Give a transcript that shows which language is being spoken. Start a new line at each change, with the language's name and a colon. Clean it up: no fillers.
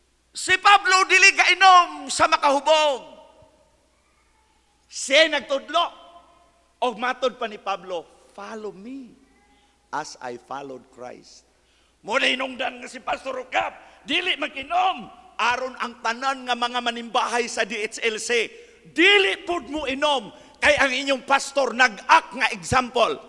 Cebuano: Si Pablo dili gainom sa makahubog. Siya nagtudlo. Og matod pa ni Pablo,
English: follow me as I followed Christ.
Cebuano: Muna inungdan nga si Pastor Ucap, dili mag-inom. Aron ang tanan nga mga manimbahay sa DHLC, dili pud mo inom. Kay ang inyong pastor nag-act nga example.